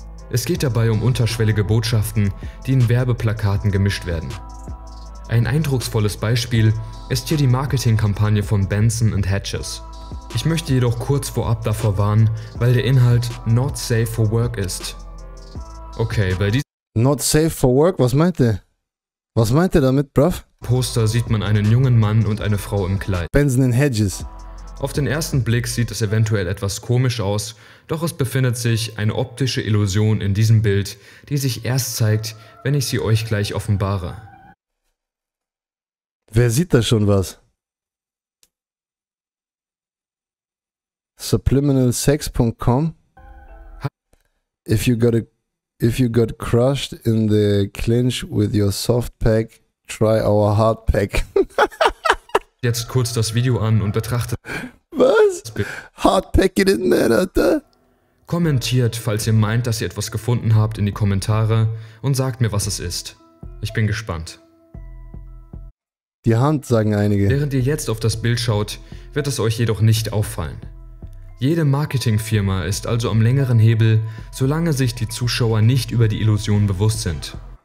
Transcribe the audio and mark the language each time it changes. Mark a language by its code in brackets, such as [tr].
[de] Es geht dabei um unterschwellige Botschaften, die in Werbeplakaten gemischt werden. Ein eindrucksvolles Beispiel ist hier die Marketingkampagne von Benson & Hedges. Ich möchte jedoch kurz vorab davor warnen, weil der Inhalt [en] not safe for work [de] ist. Okay, weil die [en] not safe for work, [de] was meint der? Was meint er damit, bruv? Poster sieht man einen jungen Mann und eine Frau im Kleid. Benson & Hedges. Auf den ersten Blick sieht es eventuell etwas komisch aus, doch es befindet sich eine optische Illusion in diesem Bild, die sich erst zeigt, wenn ich sie euch gleich offenbare. Wer sieht da schon was? [en] Subliminalsex.com. If you got crushed in the clinch with your soft pack, try our hard pack. [de] Jetzt kurz das Video an und betrachtet. Was? [en] Hardpack it in man, Alter. [de] Kommentiert, falls ihr meint, dass ihr etwas gefunden habt, in die Kommentare und sagt mir, was es ist. Ich bin gespannt. Die Hand, sagen einige. Während ihr jetzt auf das Bild schaut, wird es euch jedoch nicht auffallen. Jede Marketingfirma ist also am längeren Hebel, solange sich die Zuschauer nicht über die Illusion bewusst sind.